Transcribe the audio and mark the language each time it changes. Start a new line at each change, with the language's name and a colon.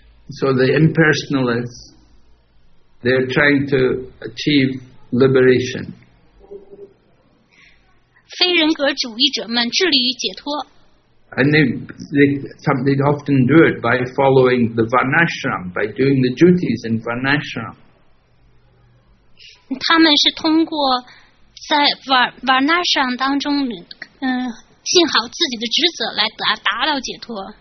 English: So the impersonalists, they're trying to achieve liberation.
Chinese: 非人格主义者们致力于解脱。
English: And they often do it by following the varnashram, by doing the duties in varnashram.
Chinese: 他们是通过在 varnashram 当中尽好自己的职责来达到解脱。